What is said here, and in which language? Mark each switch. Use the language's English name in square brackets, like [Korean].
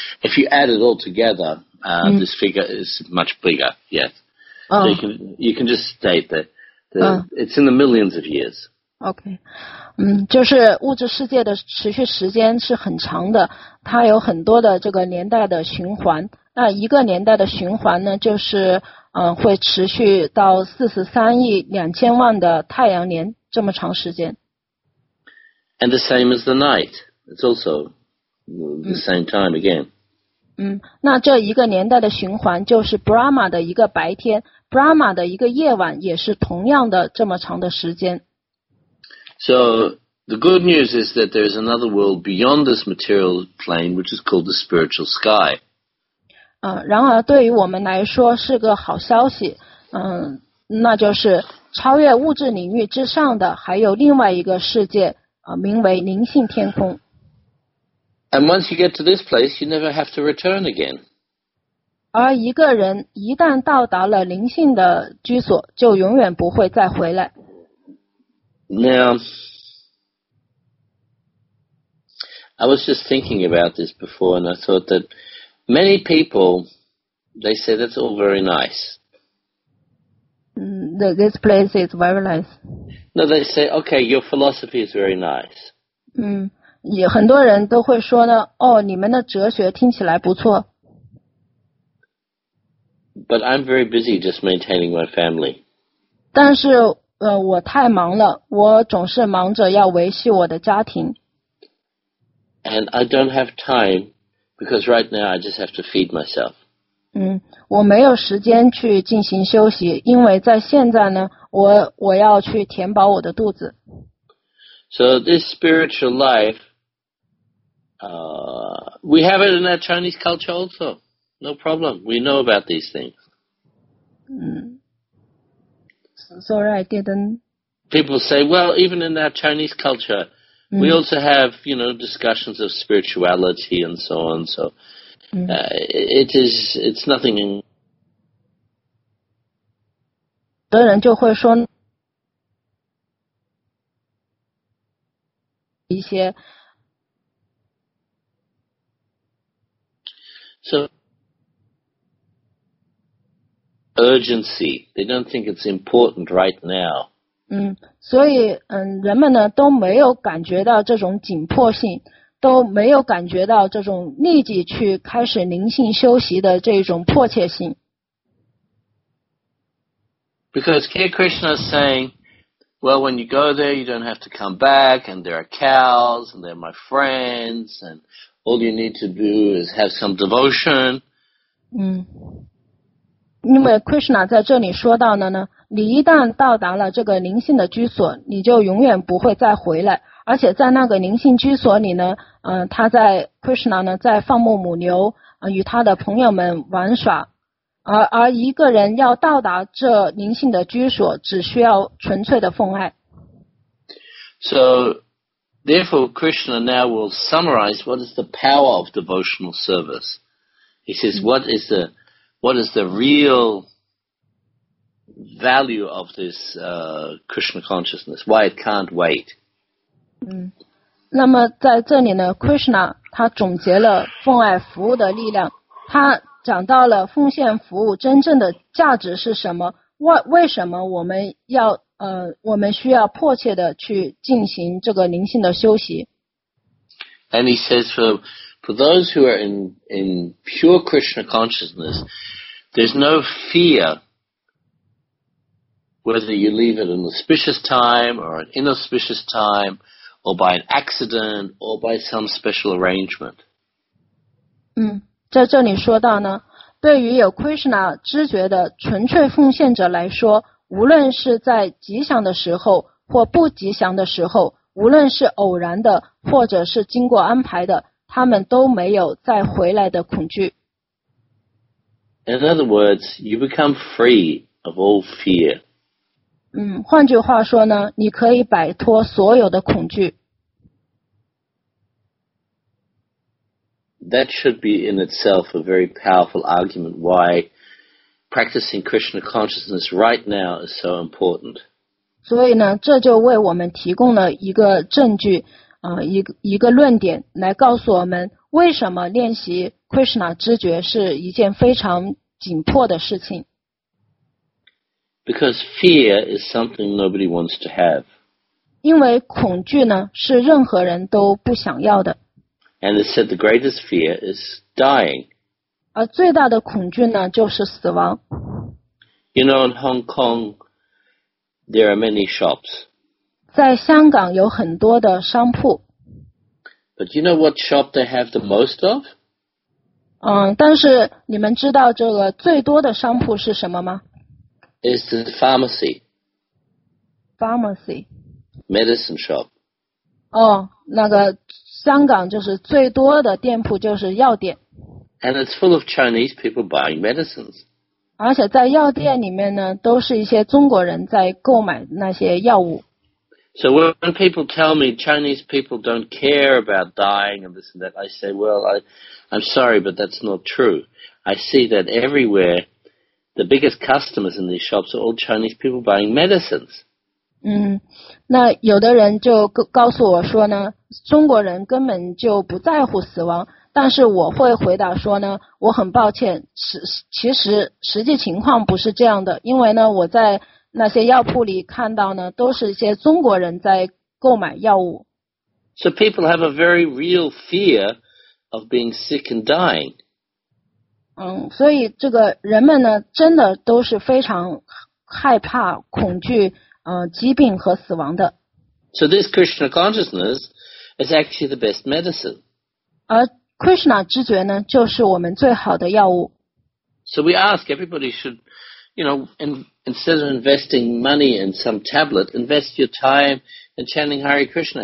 [English] If you add it all together, this figure is much bigger. Yes. So you can just state that it's in the millions of years. Okay. [Chinese] 就是物质世界的持续时间是很长的，它有很多的这个年代的循环。那一个年代的循环呢，就是会持续到43亿2000万的太阳年这么长时间。 [English] And the same as the night, it's also the same time again. [Chinese] 那这一个年代的循环就是 Brahma 的一个白天 ，Brahma 的一个夜晚也是同样的这么长的时间。 [English] So The good news is that there is another world beyond this material plane, which is called the spiritual sky. [Chinese] 然而对于我们来说是个好消息，那就是超越物质领域之上的还有另外一个世界，名为灵性天空。 [English] And once you get to this place, you never have to return again. [Chinese] 而一个人一旦到达了灵性的居所，就永远不会再回来。 [English] Now,I was just thinking about this before, and I thought that many people, they say that's all very nice. This place is very nice. No, they say, okay, your philosophy is very nice. [Chinese] 很多人都会说呢，哦，你们的哲学听起来不错。 [English] But I'm very busy just maintaining my family. [Chinese] 但是，我太忙了，我总是忙着要维系我的家庭。 [English] And I don't have time because right now I just have to feed myself. [Chinese] 我没有时间去进行休息，因为在现在呢，我要去填饱我的肚子。 [English] So this spiritual life, we have it in our Chinese culture also. No problem. We know about these things. Sorry, I didn't. People say, well, even in our Chinese culture,We also have, you know, discussions of spirituality and so on. So it's nothing. [Chinese] 的人就会说一些。 [English] So urgency. They don't think it's important right now. [Chinese] 所以人们呢都没有感觉到这种紧迫性，都没有感觉到这种立即去开始灵性修习的这种迫切性。 [English] Because Kaya Krishna is saying, well, when you go there, you don't have to come back, and there are cows, and they're my friends, and all you need to do is have some devotion. [Chinese] 因为 Krishna 在这里说到了呢，你一旦到达了这个灵性的居所，你就永远不会再回来。而且在那个灵性居所里呢，他在 Krishna 呢在放牧母牛，与他的朋友们玩耍。而一个人要到达这灵性的居所，只需要纯粹的奉爱。 [English] So, therefore, Krishna now will summarize what is the power of devotional service. He says, what is the real value of this Krishna consciousness, why it can't wait. [Chinese] 那么在这里呢 Krishna 他总结了奉爱服务的力量，他讲到了奉献服务真正的价值是什么，为什么我们要我们需要迫切的去进行这个灵性的修习。 [English] And he says for those who are in pure Krishna consciousness, there's no fear whether you leave at an auspicious time or an inauspicious time or by an accident or by some special arrangement. [Chinese] 在这里说到呢，对于有 Krishna 知觉的纯粹奉献者来说，无论是在吉祥的时候或不吉祥的时候，无论是偶然的或者是经过安排的，他们都没有再回来的恐惧。 [English] In other words, you become free of all fear. [Chinese] 换句话说呢，你可以摆脱所有的恐惧。 [English] That should be in itself a very powerful argument why practicing Krishna consciousness right now is so important. [Chinese] 所以呢，这就为我们提供了一个证据。一个论点来告诉我们为什么练习 Krishna 知觉是一件非常紧迫的事情。 [English] Because fear is something nobody wants to have. [Chinese] 因为恐惧呢是任何人都不想要的。 [English] And it said the greatest fear is dying. [Chinese] 而最大的恐惧呢就是死亡。 [English] You know, in Hong Kong, there are many shops. [Chinese] 在香港有很多的商铺。 [English] But you know what shop they have the most of? [Chinese] 但是你们知道这个最多的商铺是什么吗？ [English] It's the pharmacy. Pharmacy. Medicine shop. [Chinese] 哦，那个香港就是最多的店铺就是药店。 [English] And it's full of Chinese people buying medicines. [Chinese] 而且在药店里面呢，都是一些中国人在购买那些药物。 [English] So when people tell me Chinese people don't care about dying and this and that, I say, well, I'm sorry, but that's not true. I see that everywhere, the biggest customers in these shops are all Chinese people buying medicines. [Chinese] 嗯，那有的人就告诉我说呢，中国人根本就不在乎死亡。但是我会回答说呢，我很抱歉，实际情况不是这样的，因为呢，我在那些药铺里看到呢，都是一些中国人在购买药物。 [English] So people have a very real fear of being sick and dying. [Chinese] 嗯，所以这个人们呢，真的都是非常害怕、恐惧，疾病和死亡的。 [English] So this Krishna consciousness is actually the best medicine. [Chinese] 而 Krishna 知觉呢，就是我们最好的药物。 [English] So we ask everybody should, you know, instead of investing money in some tablet, invest your time in chanting Hare Krishna.